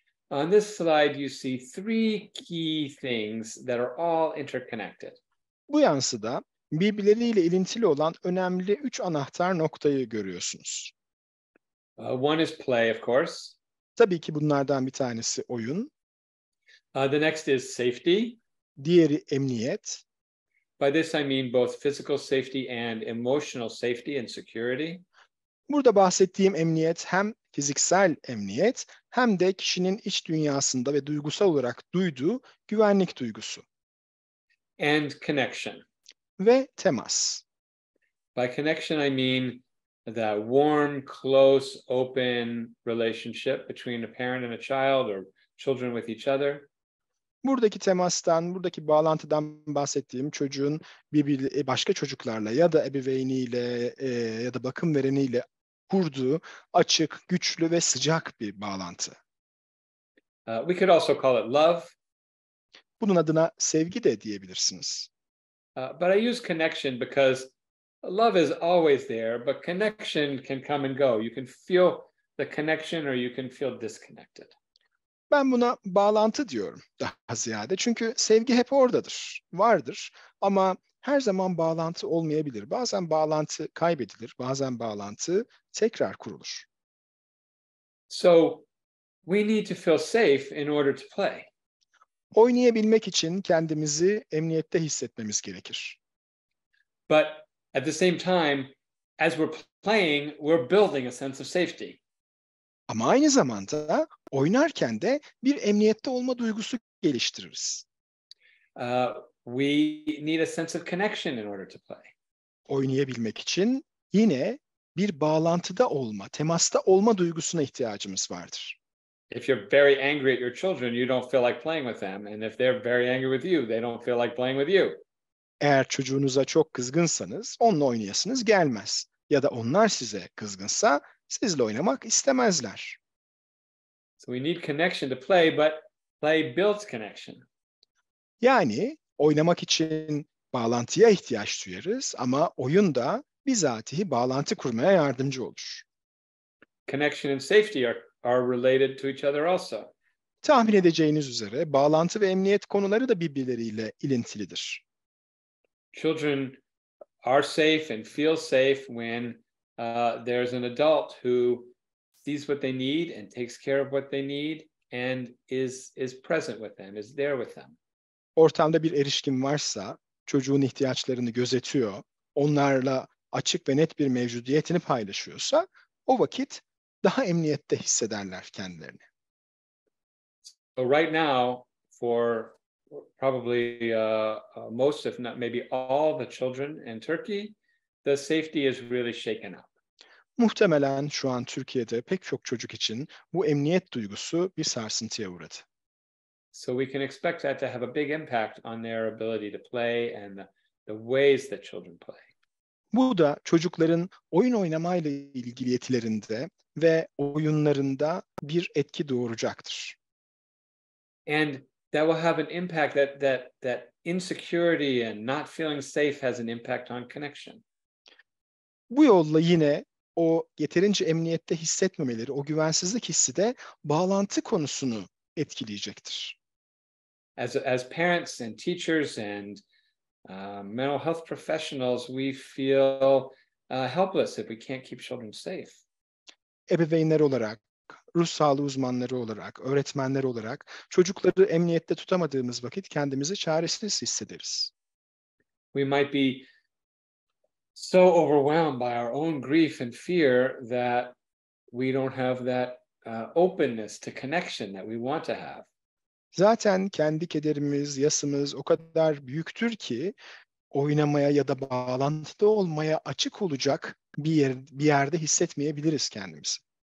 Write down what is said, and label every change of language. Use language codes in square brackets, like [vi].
[en] On this slide you see three key things that are all interconnected. [tr] Bu yansıda birbirleriyle ilintili olan önemli üç anahtar noktayı görüyorsunuz. [en] One is play, of course. [tr] Tabii ki bunlardan bir tanesi oyun. [en] The next is safety. [tr] Diğeri emniyet. [en] By this I mean both physical safety and emotional safety and security. [tr] Burada bahsettiğim emniyet hem fiziksel emniyet hem de kişinin iç dünyasında ve duygusal olarak duyduğu güvenlik duygusu. [en] And connection. [tr] Ve temas. [en] By connection I mean that warm, close, open relationship between a parent and a child or children with each other. [tr] Buradaki temastan, buradaki bağlantıdan bahsettiğim çocuğun başka çocuklarla ya da ebeveyniyle ya da bakım vereniyle kurduğu açık, güçlü ve sıcak bir bağlantı. [en] We could also call it love. [tr] Bunun adına sevgi de diyebilirsiniz. [en] But I use connection because love is always there, but connection can come and go. You can feel the connection or you can feel disconnected. [tr] Ben buna bağlantı diyorum daha ziyade. Çünkü sevgi hep oradadır, vardır. Ama her zaman bağlantı olmayabilir. Bazen bağlantı kaybedilir, bazen bağlantı tekrar kurulur. [en] So we need to feel safe in order to play. [tr] Oynayabilmek için kendimizi emniyette hissetmemiz gerekir. [en] But at the same time, as we're playing, we're building a sense of safety. [tr] Ama aynı zamanda oynarken de bir emniyette olma duygusu geliştiririz. [en] We need a sense of connection in order to play. [tr] Oynayabilmek için yine bir bağlantıda olma, temasta olma duygusuna ihtiyacımız vardır. [en] If you're very angry at your children, you don't feel like playing with them. And if they're very angry with you, they don't feel like playing with you. [tr] Eğer çocuğunuza çok kızgınsanız onunla oynayasınız gelmez. Ya da onlar size kızgınsa sizle oynamak istemezler. [en] So we need connection to play, but play builds connection. [tr] Yani oynamak için bağlantıya ihtiyaç duyarız ama oyun da bizatihi bağlantı kurmaya yardımcı olur. [en] Connection and safety are related to each other also. [tr] Tahmin edeceğiniz üzere bağlantı ve emniyet konuları da birbirleriyle ilintilidir. [en] Children are safe and feel safe when there's an adult who sees what they need and takes care of what they need and is present with them, is there with them. [tr] Ortamda bir erişkin varsa çocuğun ihtiyaçlarını gözetiyor, onlarla açık ve net bir mevcudiyetini paylaşıyorsa o vakit daha emniyette hissederler kendilerini. [en] So right now for probably most if not maybe all the children in Turkey, the safety is really shaken up. [tr] Muhtemelen şu an Türkiye'de pek çok çocuk için bu emniyet duygusu bir sarsıntıya uğradı. [en] So we can expect that to have a big impact on their ability to play and the ways that children play. [tr] Bu da çocukların oyun oynamayla ilgili yetilerinde ve oyunlarında bir etki doğuracaktır. [en] And that will have an impact that insecurity and not feeling safe has an impact on connection. [tr] Bu yolla yine o yeterince emniyette hissetmemeleri, o güvensizlik hissi de bağlantı konusunu etkileyecektir. [en] As parents and teachers and mental health professionals, we feel helpless if we can't keep children safe. [tr] Ebeveynler olarak, ruh sağlığı uzmanları olarak, öğretmenler olarak çocukları emniyette tutamadığımız vakit kendimizi çaresiz hissederiz. [en] We might be so overwhelmed by our own grief and fear that we don't have that openness to connection that we want to have. [tr] Zaten kendi kederimiz, yasımız o kadar büyüktür ki oynamaya ya da bağlantıda olmaya açık olacak bir yerde hissetmeyebiliriz kendimizi.